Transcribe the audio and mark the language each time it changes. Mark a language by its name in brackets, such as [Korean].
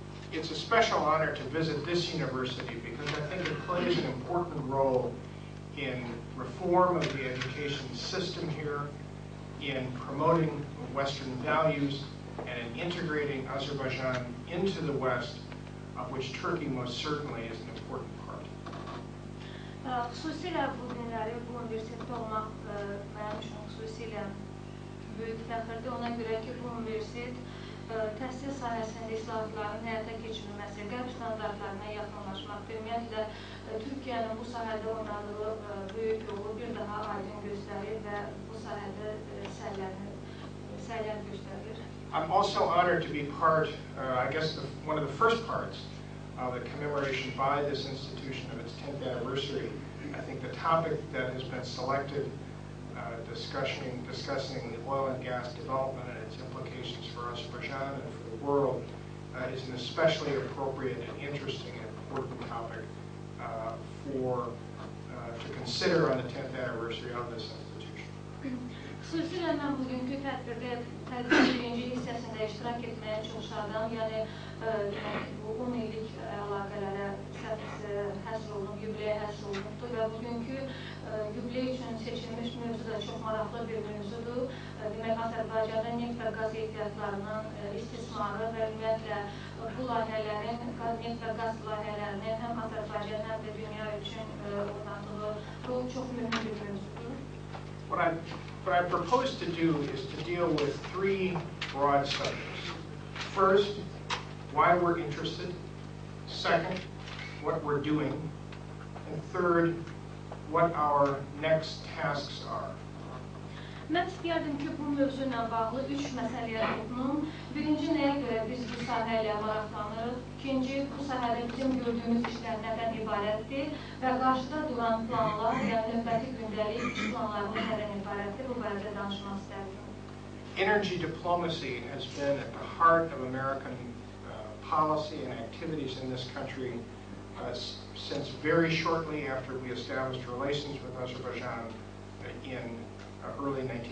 [English] It's a special honor to visit this university because I think it plays an important role in reform of the education system here, in promoting Western values, and in integrating Azerbaijan into the West, of which Turkey most certainly is an important part. [Azerbaijani] Xüsusilə bu günləri bu universitetdə olmaq mənim üçün xüsusilə böyük fəxrdir. Ona görə ki, bu universitet təhsil sahəsində islahatların həyata keçirilməsi, qərb standartlarına yaxınlaşmaq, ümumiyyətlə Türkiyənin bu sahədə oynadığı böyük rolu bir daha aydın göstərir və bu sahədə səylər göstərir. [English] I'm also honored to be part, I guess, one of the first parts of the commemoration by this institution of its 10th anniversary. I think the topic that has been selected, discussing the oil and gas development and its implications for Azerbaijan and for the world, is an especially appropriate and interesting and important topic to consider on the 10th anniversary of this institution. [Azerbaijani] Xüsusilə mən bugünkü tədbirdə tədbirin birinci hissəsində iştirak etməyə çalışardım. Yəni, bu 10 illik əlaqələrə həsr oldum, yubileyə həsr olunubdu və bugünkü yubiley üçün seçilmiş mövzu da çox maraqlı bir mövzudur. Demək, Azərbaycanda neft və qaz ehtiyatlarının istismarı və ümumiyyətlə bu layihələrin, neft və qaz layihələrinin həm Azərbaycan həm də dünya üçün oynadığı rol çox mühüm bir mövzudur. [English] What I propose to do is to deal with three broad subjects. First, why we're interested. Second, what we're doing. And third, what our next tasks are. [Azerbaijani] Mən istəyərdim ki, bu mövzu ilə bağlı üç məsələyə toxunum. Birinci, nəyə görə biz bu sahə ilə maraqlanırıq? İkinci, bu sahədə bizim gördüyümüz işlər nədən ibarətdir? Və qarşıda duran planlar, yəni növbəti gündəlik planlarımız nədən ibarətdir? Bu barədə danışmaq istəyirəm. [English] Energy diplomacy has been at the heart of American policy and activities in this country since very shortly after we established relations with Azerbaijan in early